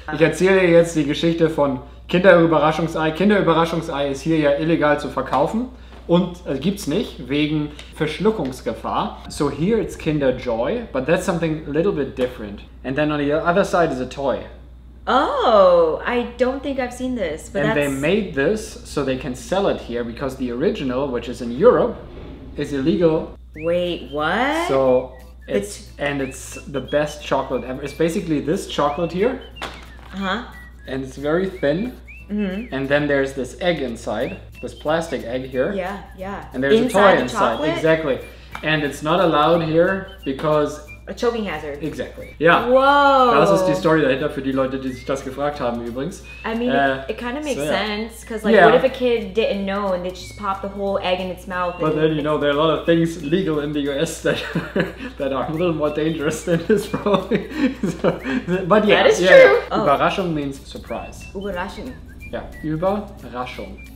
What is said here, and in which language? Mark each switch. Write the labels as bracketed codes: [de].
[de] Ich erzähle jetzt die Geschichte von Kinder Überraschungsei. Kinder Überraschungsei ist hier ja illegal zu verkaufen. Und gibt's nicht, wegen Verschluckungsgefahr. [en] So here it's Kinder Joy, but that's something a little bit different. And then on the other side is a toy. Oh, I don't think I've seen this. But and that's... they made this so they can sell it here because the original, which is in Europe, is illegal. Wait, what? So it's and it's the best chocolate ever. It's basically this chocolate here. Uh-huh. And it's very thin. Mm-hmm. And then there's this egg inside. This plastic egg here. Yeah, yeah. And there's inside a toy the inside. Chocolate? Exactly. And it's not allowed here because... A choking hazard. Exactly. Yeah. Whoa. [de] Das ist die Story dahinter für die Leute, die sich das gefragt haben übrigens. [en] I mean, it kind of makes sense. Because like, what if a kid didn't know and they just popped the whole egg in its mouth? But and then, you know, there are a lot of things legal in the US that, that are a little more dangerous than this probably. So, but yeah. That is yeah. true. Oh. Überraschung means surprise. [de] Überraschung. [en] Yeah. Überraschung.